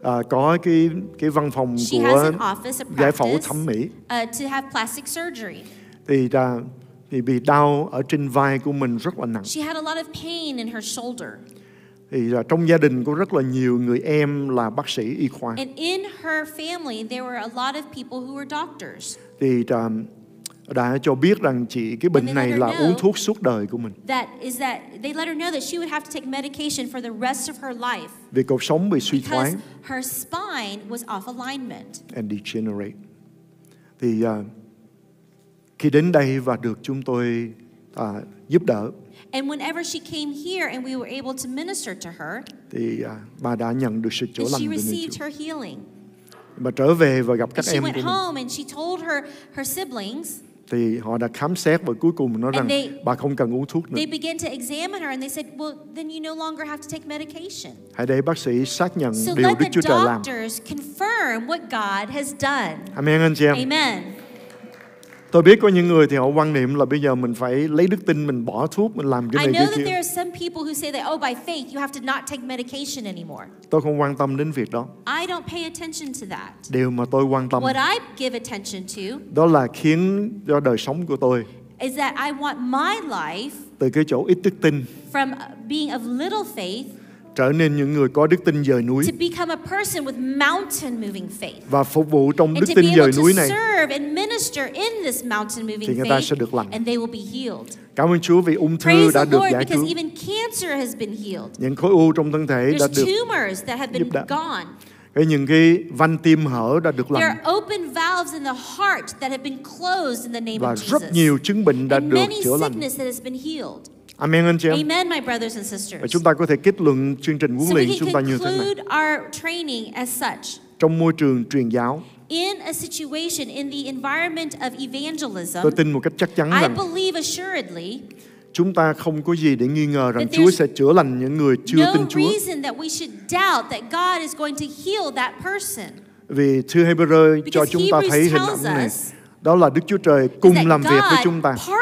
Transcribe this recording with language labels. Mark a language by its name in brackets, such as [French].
[Vietnamese] Có cái văn phòng [English] she [Vietnamese] của giải phẫu thẩm mỹ. [English] To have plastic surgery. [Vietnamese] Thì bị đau ở trên vai của mình rất là nặng. [English] She had a lot of pain in her shoulder. [Vietnamese] Thì trong gia đình có rất là nhiều người em là bác sĩ y khoa. [English] And in her family there were a lot of people who were doctors. [Vietnamese] Thì đã cho biết rằng chị cái bệnh này là uống thuốc suốt đời của mình. [English] That is that they let her know that she would have to take medication for the rest of her life. [Vietnamese] Vì cột sống bị suy thoái. [English] Because her spine was off alignment. And degenerate. [Vietnamese] Thì khi đến đây và được chúng tôi giúp đỡ. [English] And whenever she came here and we were able to minister to her, [Vietnamese] thì bà đã nhận được sự chữa lành. [English] She received her healing. [Vietnamese] Bà trở về và gặp các em. [English] She went home and she told her siblings. [Vietnamese] Thì họ đã khám xét và cuối cùng nói rằng bà không cần uống thuốc nữa. [English] They began to examine her and they said, well, then you no longer have to take medication. [Vietnamese] Hãy để bác sĩ xác nhận điều Đức Chúa Trời làm. [English] So let the doctors confirm what God has done. [Vietnamese] Amen, anh chị em. [English] Amen. [Vietnamese] Tôi biết có những người thì họ quan niệm là bây giờ mình phải lấy đức tin mình bỏ thuốc mình làm cái này cái kia. [English] I know there are some people who say that oh by faith you have to not take medication anymore. [Vietnamese] Tôi không quan tâm đến việc đó. [English] I don't pay attention to that. [Vietnamese] Điều mà tôi quan tâm [English] what I give attention to [Vietnamese] đó là khiến cho đời sống của tôi [English] is that I want my life [Vietnamese] từ cái chỗ ít đức tin [English] from being of little faith [Vietnamese] trở nên những người có đức tin dời núi [English] to become a person with mountain moving faith [Vietnamese] và phục vụ trong đức tin dời núi này [English] and minister in this mountain moving [Vietnamese] thì người ta sẽ được lành [English] and they will be healed. [Vietnamese] Cảm ơn Chúa vì ung thư [English] praise [Vietnamese] đã được giải cứu. [English] Even cancer has been healed. [Vietnamese] Những khối u trong thân thể [English] there's [Vietnamese] đã được [English] tumors that have been gone. [Vietnamese] Cái những cái van tim hở đã được lành. [English] There are open valves in the heart that have been closed in the name [Vietnamese] và [English] of Jesus. [Vietnamese] Rất nhiều chứng bệnh đã [English] and [Vietnamese] được chữa lành. [English] Many sickness has been healed. [Vietnamese] Amen, anh chị em. [English] Amen, my brothers and sisters. [Vietnamese] Và chúng ta có thể kết luận chương trình huấn luyện chúng ta như thế này. [English] So we can conclude our training as such. [Vietnamese] Trong môi trường truyền giáo. [English] In a situation in the environment of evangelism. [Vietnamese] Tôi tin một cách chắc chắn rằng. [English] I believe assuredly. [Vietnamese] Chúng ta không có gì để nghi ngờ rằng Chúa sẽ chữa lành những người chưa tin Chúa. [English] No reason that we should doubt that God is going to heal that person. [Vietnamese] Vì thư Hebrew cho chúng ta thấy hình ảnh này. Đó là Đức Chúa Trời cùng làm việc với chúng ta.